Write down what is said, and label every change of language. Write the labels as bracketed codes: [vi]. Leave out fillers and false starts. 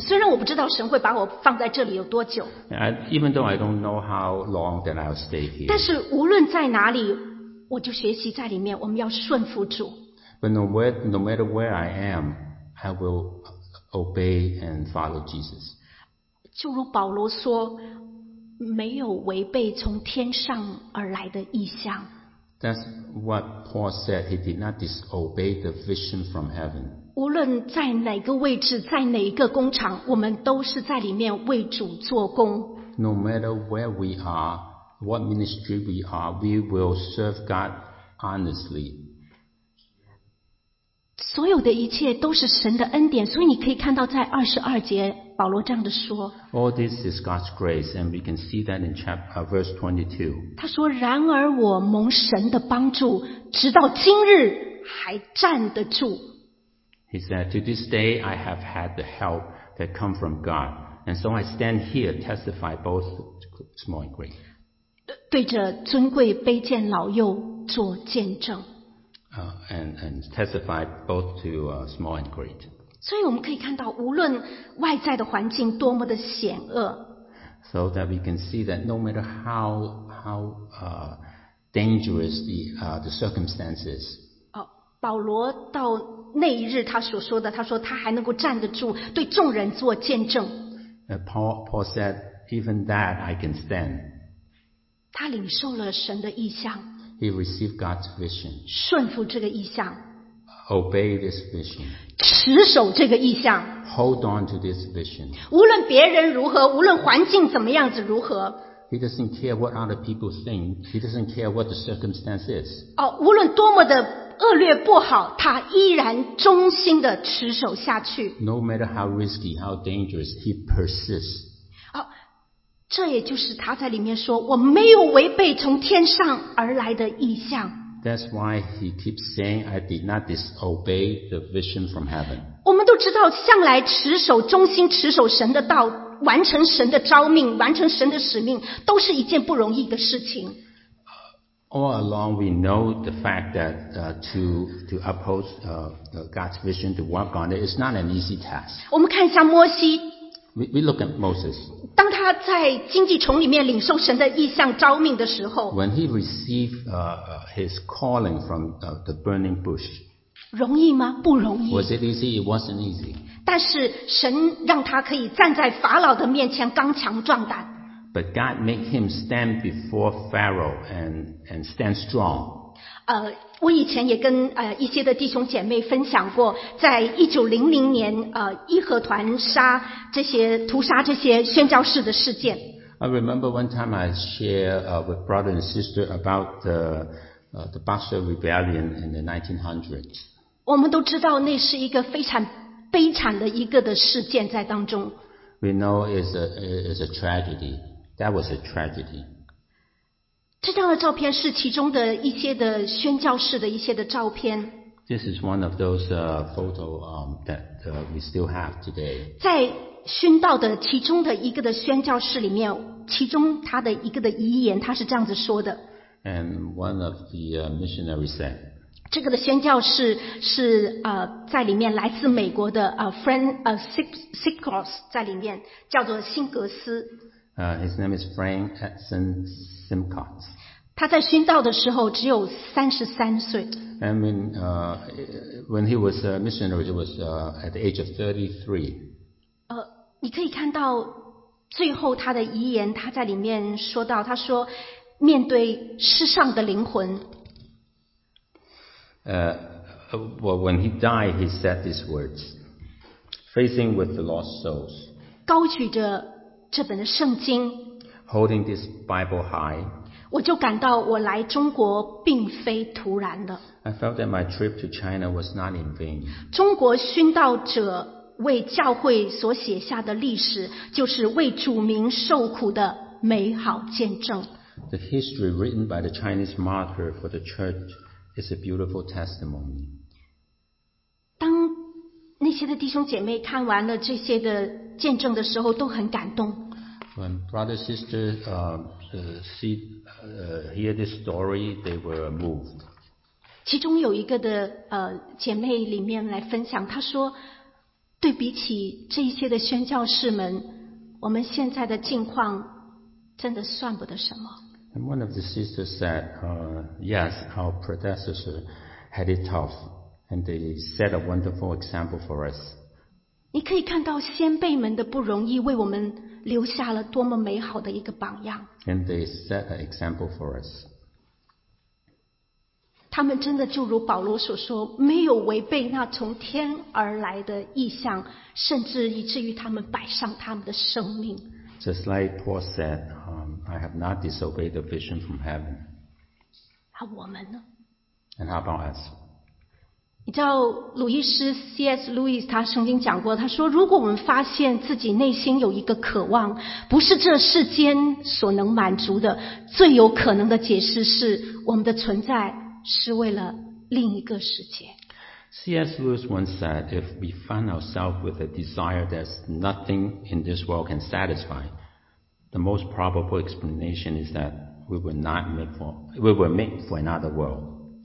[zh] 虽然我不知道神会把我放在这里有多久。 [en] Even though I don't know how long that I'll stay here. [zh] 但是无论在哪里，我就学习在里面，我们要顺服主。 [en] But no matter where I am, I will obey and follow Jesus. [zh] 就如保罗说，没有违背从天上而来的意象。 [en] That's what Paul said. He did not disobey the vision from heaven. [zh] 无论在哪个位置，在哪一个工厂，我们都是在里面为主做工。 [en] No matter where we are, what ministry we are, we will serve God honestly. [zh] 所有的一切都是神的恩典，所以你可以看到在二十二节，保罗这样的说。 [en] All this is God's grace, and we can see that in verse 22. [zh] 他说：“然而我蒙神的帮助，直到今日还站得住。” [en] He said, "To this day, I have had the help that come from God, and so I stand here, testify both small and great." [zh] 对着尊贵卑贱老幼做见证。 [en] And testify both to small and great. [zh] 所以我们可以看到，无论外在的环境多么的险恶。 [en] So that we can see that no matter how dangerous the circumstances. [zh] 保罗到那一日他所说的，他说他还能够站得住，对众人做见证。 [en] Paul said, even that I can stand. [zh] 他领受了神的意象。 [en] He received God's vision. [zh] 顺服这个意象。 [en] Obey this vision. [zh] 持守这个意象。 [en] Hold on to this vision. [zh] 无论别人如何，无论环境怎么样子如何。 [en] He doesn't care what other people think. He doesn't care what the circumstance is. [zh] 无论多么的恶劣不好，他依然忠心的持守下去。 [en] No matter how risky, how dangerous, he persists. [zh] 这也就是他在里面说，我没有违背从天上而来的意象。 [en] That's why he keeps saying, I did not disobey the vision from heaven. [zh] 我们都知道，向来持守、忠心持守神的道，完成神的召命，完成神的使命，都是一件不容易的事情。 [en] All along, we know the fact that to uphold God's vision, to work on it, is not an easy task. [zh] 我们看一下摩西。 [en] We look at Moses. [zh] 当他在荆棘丛里面领受神的意象召命的时候， [en] When he received his calling from the burning bush. [zh] 容易吗？不容易。 [en] Was it easy? It wasn't easy. [zh] 但是神让他可以站在法老的面前刚强壮胆。 [en] But God made him stand before Pharaoh and stand strong. [zh] 我以前也跟一些的弟兄姐妹分享过，在1900年义和团杀这些屠杀这些宣教士的事件。 [en] I remember one time I share with brother and sister about the Boxer Rebellion in the 1900s. [zh] 我们都知道那是一个非常悲惨的一个的事件在当中。 [en] We know it's a tragedy. That was a tragedy. [zh] 这张的照片是其中的一些的宣教士的一些的照片。 [en] This is one of those photos that we still have today. [zh] 在殉道的其中的一个的宣教士里面，其中他的一个的遗言，他是这样子说的。 [en] And one of the missionaries said. [zh] 这个的宣教士是在里面来自美国的Frank Sikos 在里面叫做辛格斯。 [en] His name is Frank Edson Simcox. [zh] 他在殉道的时候只有33岁。 [en] And when he was a missionary, he was at the age of 33. [zh] 你可以看到最后他的遗言，他在里面说到，他说面对世上的灵魂。 [en] When he died, he said these words, facing with the lost souls. [zh] 高举着这本的圣经， [en] Holding this Bible high, [zh] 我就感到我来中国并非突然的。 [en] I felt that my trip to China was not in vain. [zh] 中国殉道者为教会所写下的历史，就是为主民受苦的美好见证。 [en] The history written by the Chinese martyr for the church is a beautiful testimony. [zh] 当那些的弟兄姐妹看完了这些的见证的时候都很感动。 [en] When brother and sister hear this story, they were moved. [zh] 其中有一个的姐妹里面来分享，她说对比起这些的宣教士们，我们现在的境况真的算不得什么。 [en] And one of the sisters said, yes, our predecessor had it tough, and they set a wonderful example for us. [zh] 你可以看到先辈们的不容易，为我们留下了多么美好的一个榜样。 [en] And they set an example for us. [zh] 他们真的就如保罗所说，没有违背那从天而来的意象，甚至以至于他们摆上他们的生命。 [en] Just like Paul said, I have not disobeyed the vision from heaven. [zh] 那我们呢？ [en] And how about us? [zh] 你知道鲁伊斯 C.S. Lewis 他曾经讲过，他说如果我们发现自己内心有一个渴望，不是这世间所能满足的，最有可能的解释是我们的存在是为了另一个世界。 [en] C.S. Lewis once said, if we find ourselves with a desire that nothing in this world can satisfy, the most probable explanation is that we will make for another world.